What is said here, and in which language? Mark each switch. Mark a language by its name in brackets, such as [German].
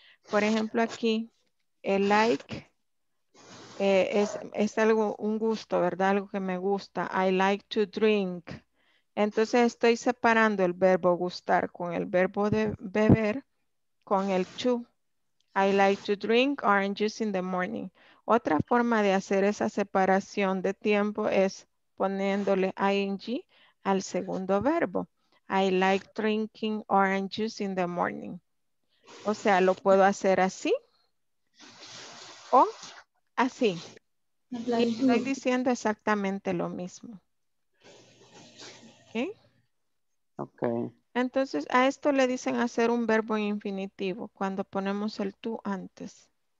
[Spanish] Por ejemplo, aquí, el like es algo, un gusto, ¿verdad? Algo que me gusta. [English] I like to drink. [Spanish] Entonces estoy separando el verbo gustar con el verbo de beber con el to. [English] I like to drink orange juice in the morning. [Spanish] Otra forma de hacer esa separación de tiempo es poniéndole ing al segundo verbo. [English] I like drinking orange juice in the morning. [Spanish] O sea, lo puedo hacer así o así. Y estoy diciendo exactamente lo mismo. Okay. Entonces a esto le dicen hacer un verbo en infinitivo cuando ponemos el tú antes.